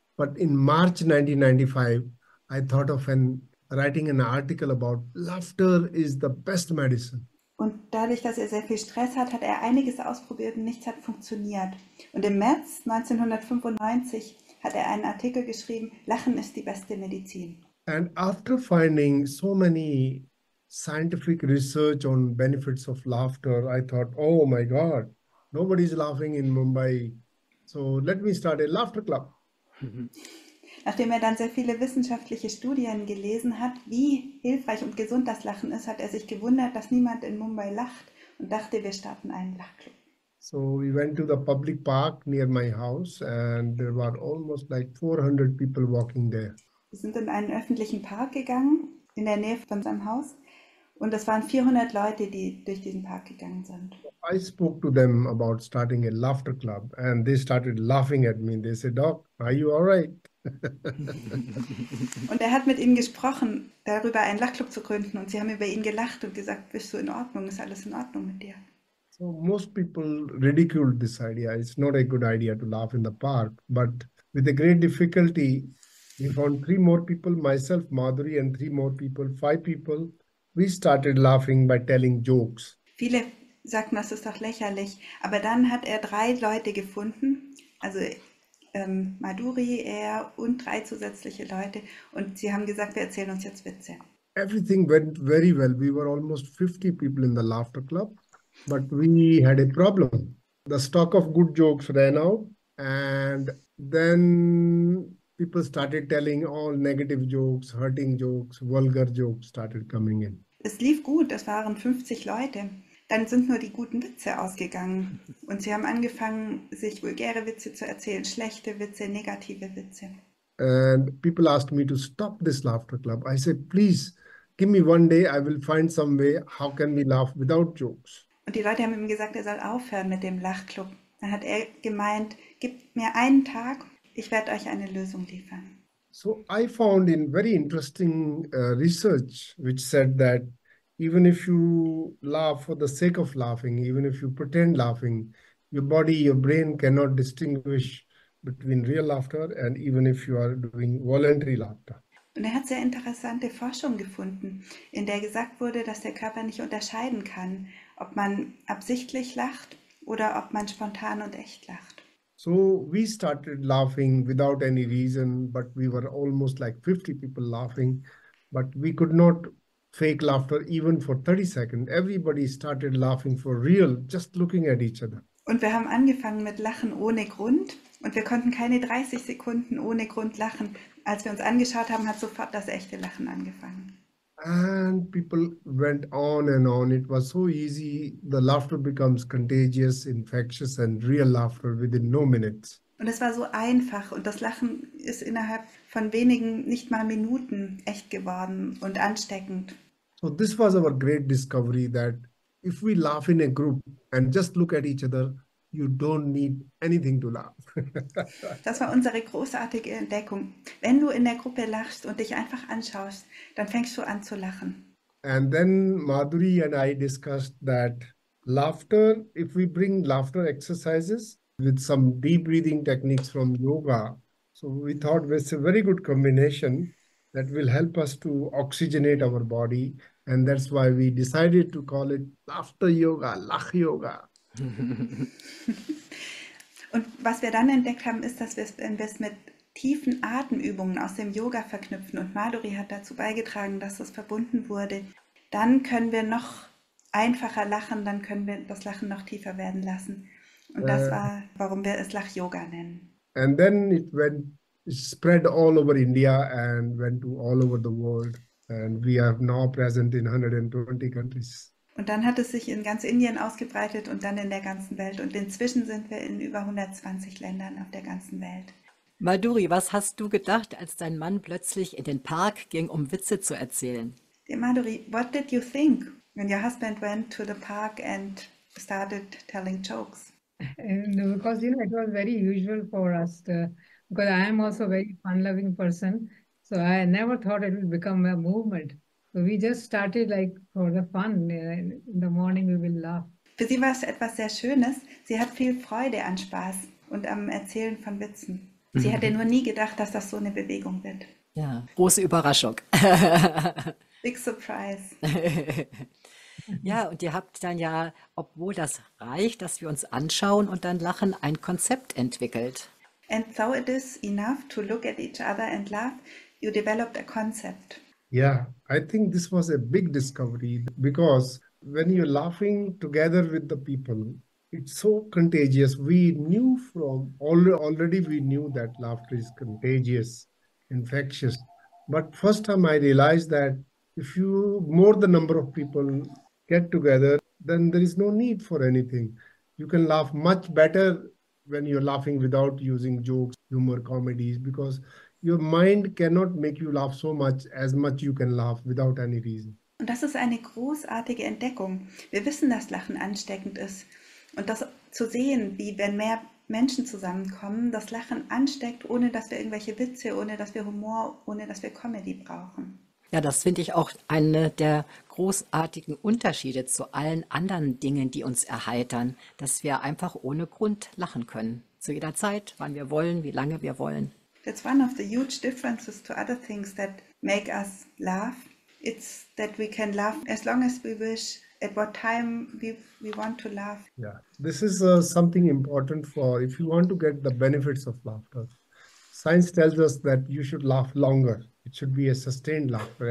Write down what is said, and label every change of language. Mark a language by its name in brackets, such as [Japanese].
[English] But in March 1995, I thought of writing an article about laughter is the best medicine. [German] Und dadurch, dass er sehr viel Stress hat, hat er einiges ausprobiert und nichts hat funktioniert. Und im März 1995 hat er einen Artikel geschrieben, Lachen ist die beste Medizin. [English] And after finding so many scientific research on benefits of laughter, I thought, oh my God, nobody is laughing in Mumbai. So let me start a laughter club. [German] Nachdem er dann sehr viele wissenschaftliche Studien gelesen hat, wie hilfreich und gesund das Lachen ist, hat er sich gewundert, dass niemand in Mumbai lacht und dachte, wir starten einen Lachclub. [English] So we went to the public park near my house and there were almost like 400 people walking there. [German] Wir sind in einen öffentlichen Park gegangen, in der Nähe von seinem Haus, und es waren 400 Leute, die durch diesen Park gegangen sind. [English] I spoke to them about starting a laughter club and they started laughing at me. They said, Doc, are you all right? [German] Und er hat mit ihnen gesprochen, darüber einen Lachclub zu gründen, und sie haben über ihn gelacht und gesagt, bist du in Ordnung, ist alles in Ordnung mit dir? [English] So most people ridiculed this idea. It's not a good idea to laugh in the park, but with a great difficulty we found three more people, myself, Madhuri and three more people, five people, we started laughing by telling jokes. [German] Viele sagten, das ist doch lächerlich, aber dann hat er drei Leute gefunden, also Madhuri, er und drei zusätzliche Leute, und sie haben gesagt, wir erzählen uns jetzt Witze. [English] Everything went very well. We were almost 50 people in the laughter club, but we had a problem. The stock of good jokes ran out, and then people started telling all negative jokes, hurting jokes, vulgar jokes started coming in. [German] Es lief gut, es waren 50 Leute. Dann sind nur die guten Witze ausgegangen und sie haben angefangen, sich vulgäre Witze zu erzählen, schlechte Witze, negative Witze. [English] And people asked me to stop this laughter club. I said, please, give me one day, I will find some way, how can we laugh without jokes? [German] Und die Leute haben ihm gesagt, er soll aufhören mit dem Lachclub. Dann hat er gemeint, gib mir einen Tag, ich werde euch eine Lösung liefern. [English] So I found in very interesting research, which said that even if you laugh for the sake of laughing, even if you pretend laughing, your body, your brain cannot distinguish between real laughter and even if you are doing voluntary laughter. [German] Und er hat sehr interessante Forschung gefunden, in der gesagt wurde, dass der Körper nicht unterscheiden kann, ob man absichtlich lacht oder ob man spontan und echt lacht. [English] So we started laughing without any reason, but we were almost like 50 people laughing, but we could not fake laughter even for 30 seconds. Everybody started laughing for real, just looking at each other. [German] Und wir haben angefangen mit Lachen ohne Grund und wir konnten keine 30 Sekunden ohne Grund lachen. Als wir uns angeschaut haben, hat sofort das echte Lachen angefangen. [English] And people went on and on. It was so easy. The laughter becomes contagious, infectious and real laughter within no minutes. [German] Und es war so einfach und das Lachen ist innerhalb von wenigen, nicht mal Minuten, echt geworden und ansteckend. [English] So this was our great discovery that if we laugh in a group and just look at each other, you don't need anything to laugh. [German] Das war unsere großartige Entdeckung. Wenn du in der Gruppe lachst und dich einfach anschaust, dann fängst du an zu lachen. [English] And then Madhuri and I discussed that laughter, if we bring laughter exercises with some deep breathing techniques from yoga, so we thought it's a very good combination that will help us to oxygenate our body And that's why we decided to call it Laughter Yoga, Lach Yoga. [German] Und was wir dann entdeckt haben, ist, dass wir es mit tiefen Atemübungen aus dem Yoga verknüpfen. Und Madhuri hat dazu beigetragen, dass das verbunden wurde. Dann können wir noch einfacher lachen, dann können wir das Lachen noch tiefer werden lassen. Und das war, warum wir es Lach-Yoga nennen. [English] And then it went, it spread all over India and went to all over the world. And we are now present in 120 countries. [German] Und dann hat es sich in ganz Indien ausgebreitet und dann in der ganzen Welt. Und inzwischen sind wir in über 120 Ländern auf der ganzen Welt. Madhuri, was hast du gedacht, als dein Mann plötzlich in den Park ging, um Witze zu erzählen? [English] Madhuri, what did you think when your husband went to the park and started telling jokes? And because, you know, it was very usual for us. Because I am also a very fun-loving person. So I never thought it would become a movement. So we just started like for the fun. In the morning we will laugh. [German] Für sie war es etwas sehr Schönes. Sie hat viel Freude an Spaß und am Erzählen von Witzen. Sie hatte nur nie gedacht, dass das so eine Bewegung wird. Ja, große Überraschung. [English] Big surprise. [German] Ja, und ihr habt dann ja, obwohl das reicht, dass wir uns anschauen und dann lachen, ein Konzept entwickelt. [English] And so it is enough to look at each other and laugh. You developed a concept. Yeah, I think this was a big discovery because when you're laughing together with the people, it's so contagious. We knew from already we knew that laughter is contagious, infectious. But first time I realized that if you more the number of people get together, then there is no need for anything. You can laugh much better when you're laughing without using jokes, humor, comedies, because your mind cannot make you laugh so much as much you can laugh without any reason. [German] Und das ist eine großartige Entdeckung. Wir wissen, dass Lachen ansteckend ist. Und das zu sehen, wie wenn mehr Menschen zusammenkommen, das Lachen ansteckt, ohne dass wir irgendwelche Witze, ohne dass wir Humor, ohne dass wir Comedy brauchen. Ja, das finde ich auch eine der großartigen Unterschiede zu allen anderen Dingen, die uns erheitern, dass wir einfach ohne Grund lachen können. Zu jeder Zeit, wann wir wollen, wie lange wir wollen. [English] That's one of the huge differences to other things that make us laugh. It's that we can laugh as long as we wish, at what time we want to laugh. Yeah, this is something important for if you want to get the benefits of laughter. Science tells us that you should laugh longer. It should be a sustained laughter.